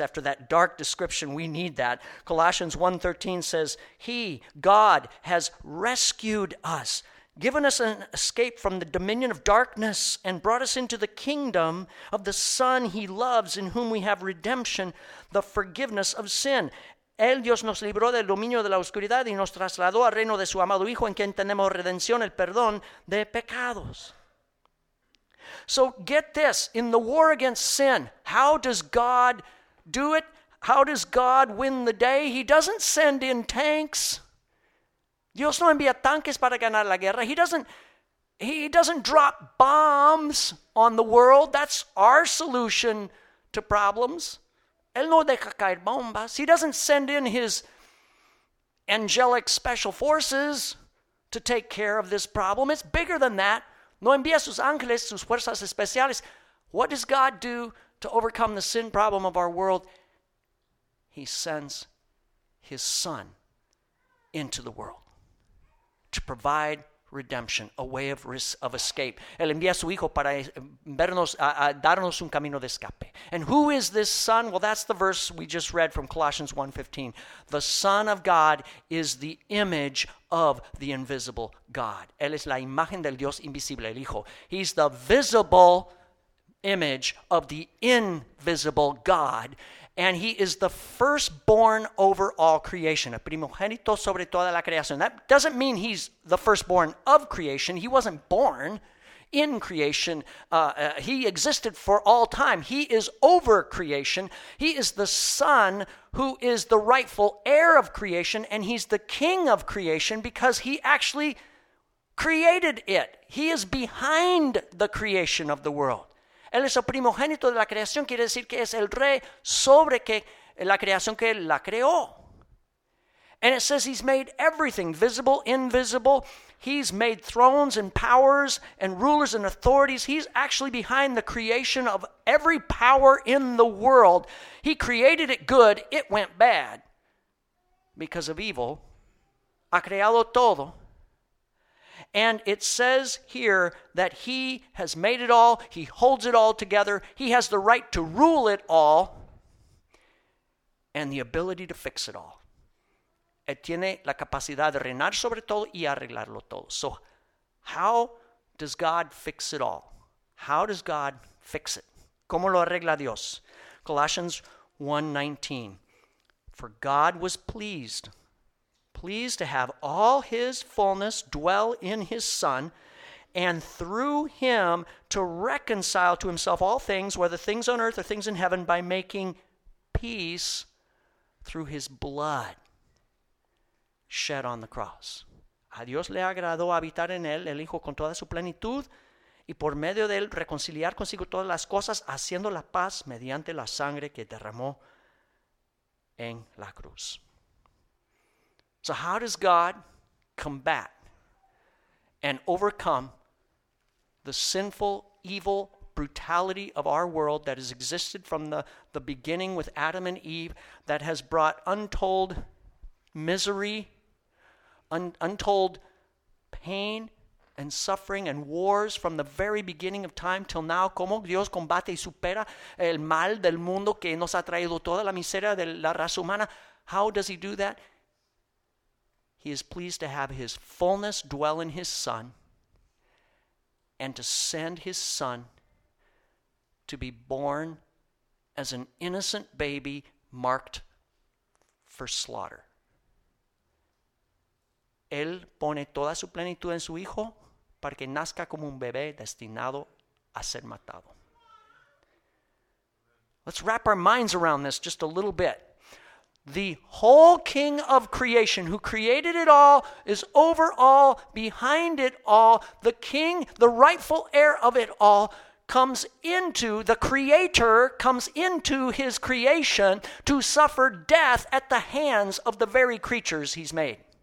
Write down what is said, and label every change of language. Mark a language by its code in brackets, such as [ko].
[en] After that dark description, we need that. Colossians 1:13 says, He, God, has rescued us, given us an escape from the dominion of darkness, and brought us into the kingdom of the Son He loves, in whom we have redemption, the forgiveness of sin. [es] Él, Dios, nos libró del dominio de la oscuridad y nos trasladó al reino de su amado Hijo, en quien tenemos redención, el perdón de pecados. [en] So get this, in the war against sin, how does God do it? How does God win the day? He doesn't send in tanks. [es] Dios no envía tanques para ganar la guerra. [en] He doesn't drop bombs on the world. That's our solution to problems. [es] Él no deja caer bombas. [en] He doesn't send in his angelic special forces to take care of this problem. It's bigger than that. [es] No envía sus ángeles, sus fuerzas especiales. [en] What does God do to overcome the sin problem of our world? He sends his Son into the world to provide redemption, a way of escape. [es] Él envía a su Hijo para vernos, darnos un camino de escape. [en] And who is this Son? Well, that's the verse we just read from Colossians 1:15. The Son of God is the image of the invisible God. [es] Él es la imagen del Dios invisible, el Hijo. [en] He's the visible image of the invisible God. And he is the firstborn over all creation. [es] El primogénito sobre toda la creación. [en] That doesn't mean he's the firstborn of creation. He wasn't born in creation. He existed for all time. He is over creation. He is the Son who is the rightful heir of creation. And he's the king of creation because he actually created it. He is behind the creation of the world. [es] Él es el primogénito de la creación, quiere decir que es el rey sobre que, la creación que la creó. [en] And it says he's made everything, visible, invisible. He's made thrones and powers and rulers and authorities. He's actually behind the creation of every power in the world. He created it good, it went bad because of evil. [es] Ha creado todo. [en] And it says here that he has made it all. He holds it all together. He has the right to rule it all and the ability to fix it all. [es] Él tiene la capacidad de reinar sobre todo y arreglarlo todo. [en] So how does God fix it all? How does God fix it? [es] ¿Cómo lo arregla Dios? [en] Colossians 1:19. For God was pleased to have all his fullness dwell in his Son, and through him to reconcile to himself all things, whether things on earth or things in heaven, by making peace through his blood shed on the cross. [es] A Dios le agradó habitar en él, el Hijo, con toda su plenitud, y por medio de él reconciliar consigo todas las cosas, haciendo la paz mediante la sangre que derramó en la cruz. [en] So how does God combat and overcome the sinful, evil brutality of our world that has existed from the beginning with Adam and Eve, that has brought untold misery, untold pain and suffering and wars from the very beginning of time till now? [es] ¿Cómo Dios combate y supera el mal del mundo que nos ha traído toda la miseria de la raza humana? [en] How does he do that? He is pleased to have his fullness dwell in his Son, and to send his Son to be born as an innocent baby marked for slaughter. [es] Él pone toda su plenitud en su Hijo para que nazca como un bebé destinado a ser matado. [en] Let's wrap our minds around this just a little bit. The whole King of creation who created it all, is over all, behind it all, the King, the rightful heir of it all, comes into, the Creator comes into his creation to suffer death at the hands of the very creatures he's made.